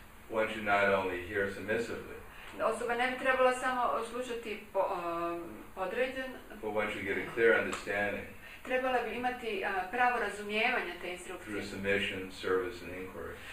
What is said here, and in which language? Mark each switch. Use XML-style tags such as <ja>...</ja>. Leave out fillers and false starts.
<en>One should not only hear submissively.</en> <hr>Osoba ne bi trebala samo slušati podređen.</hr> <en>But one should get a clear understanding.</en> <hr>Trebala bi imati pravo razumijevanje te instrukcije.</hr> <en>Through submission, service and inquiry.</en>